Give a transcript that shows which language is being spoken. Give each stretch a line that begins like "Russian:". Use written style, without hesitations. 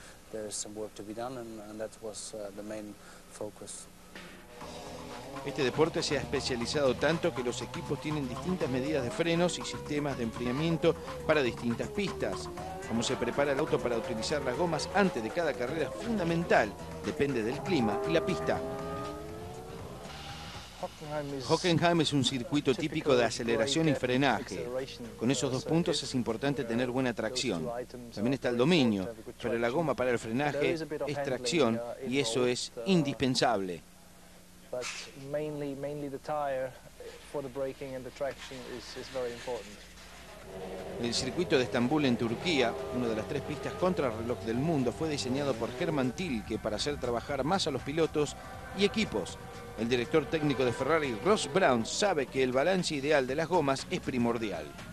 English: There is some work to be done, and that was the main focus.
Spanish: Este deporte se ha especializado tanto que los equipos tienen distintas medidas de frenos y sistemas de enfriamiento para distintas pistas. Cómo se prepara el auto para utilizar las gomas antes de cada carrera es fundamental. Depende del clima y la pista. Hockenheim es un circuito típico de aceleración y frenaje. Con esos dos puntos es importante tener buena tracción. También está el dominio, pero la goma para el frenaje es tracción y eso es indispensable.
English: but mainly the tire for the braking and the traction is very important.
Spanish: En el circuito de Estambul en Turquía, una de las tres pistas contrarreloj del mundo, fue diseñado por Germán Tilke para hacer trabajar más a los pilotos y equipos. El director técnico de Ferrari, Ross Brawn, sabe que el balance ideal de las gomas es primordial.